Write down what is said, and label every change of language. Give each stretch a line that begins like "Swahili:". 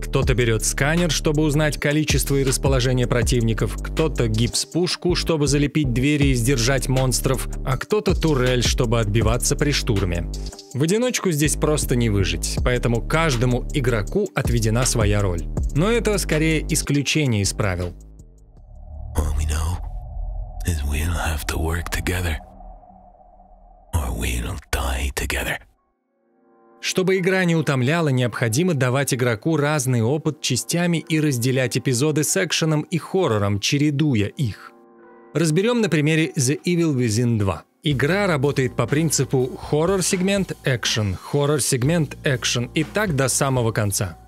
Russian: Кто-то берет сканер, чтобы узнать количество и расположение противников, кто-то гипс-пушку, чтобы залепить двери и сдержать монстров, а кто-то турель, чтобы отбиваться при штурме. В одиночку здесь просто не выжить, поэтому каждому игроку отведена своя роль. Но это скорее исключение из правил.
English: We'll have to work together, or we'll die together.
Russian: Чтобы игра не утомляла, необходимо давать игроку разный опыт частями и разделять эпизоды с экшеном и хоррором, чередуя их. Разберем на примере The Evil Within 2. Игра работает по принципу хоррор-сегмент, экшен, хоррор-сегмент, экшен, и так до самого конца.